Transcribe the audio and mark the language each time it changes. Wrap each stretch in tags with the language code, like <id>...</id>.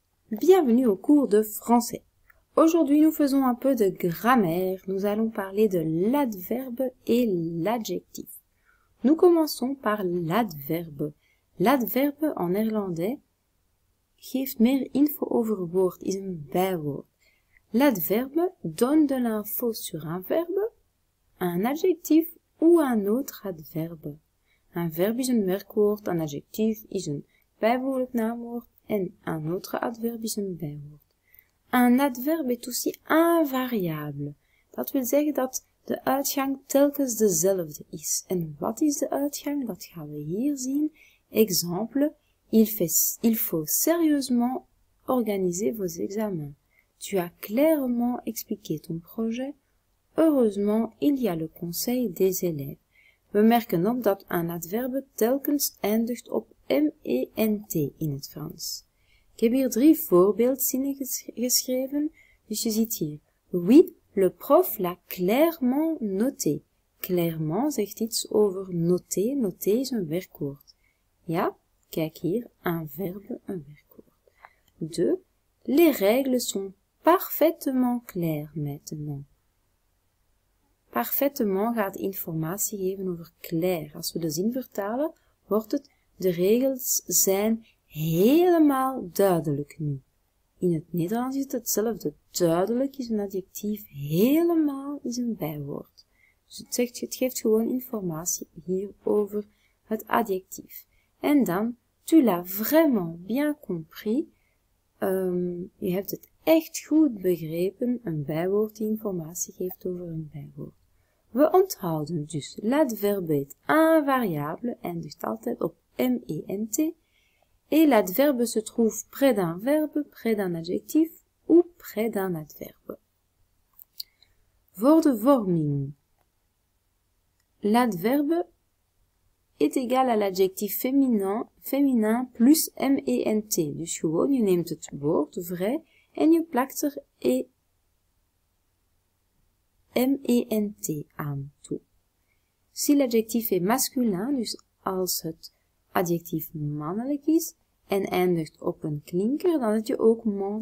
<fr>Bienvenue au cours de français. Aujourd'hui, nous faisons un peu de grammaire. Nous allons parler de l'adverbe et l'adjectif. Nous commençons par l'adverbe. L'adverbe en néerlandais</fr> <nl>geeft meer info over een woord, is een bijwoord.</nl> <fr>L'adverbe donne de l'info sur un verbe, un adjectif ou un autre adverbe.</fr> <nl>Un verbe is een werkwoord, un adjectif is een bijwoordelijk naamwoord. En</nl> <fr>un autre adverbe</fr> <nl>is een bijwoord.</nl> <fr>Un adverbe est aussi invariable.</fr> <nl>Dat wil zeggen dat de uitgang telkens dezelfde is. En wat is de uitgang? Dat gaan we hier zien.</nl> <fr>Exemple, il faut sérieusement organiser vos examens. Tu as clairement expliqué ton projet. Heureusement, il y a le conseil des élèves.</fr> <nl>We merken op dat un adverbe telkens eindigt op M-E-N-T in het Frans. Ik heb hier drie voorbeeldzinnen geschreven. Dus je ziet hier.</nl> <fr>Oui, le prof l'a clairement noté.</fr> <nl>Clairement zegt iets over noté. Noté is een werkwoord. Ja, kijk hier. Un verbe, un werkwoord.</nl> <fr>Deux, les règles sont parfaitement claires maintenant.</fr> <nl>Parfaitement gaat informatie geven over clair. Als we de zin vertalen, wordt het de regels zijn helemaal duidelijk nu. In het Nederlands is het hetzelfde. Duidelijk is een adjectief, helemaal is een bijwoord. Dus het geeft gewoon informatie hier over het adjectief. En dan,</nl> <fr>tu l'as vraiment bien compris.</fr> <nl>Je hebt het echt goed begrepen. Een bijwoord die informatie geeft over een bijwoord. We onthouden dus</nl> <fr>l'adverbe est invariable,</fr> <nl>eindigt altijd op M-E-N-T,</nl> <fr>et l'adverbe se trouve près d'un verbe, près d'un adjectif ou près d'un adverbe.</fr> <nl>Woordvorming.</nl> <fr>L'adverbe est égal à l'adjectif féminin plus M-E-N-T.</fr> <nl>Dus gewoon, je neemt het woord vrai en je plakt er M-E-N-T aan toe.</nl> <fr>Si l'adjectif est masculin,</fr> <nl>dus als het adjectief mannelijk is en eindigt op een klinker, dan heb je ook man.</nl>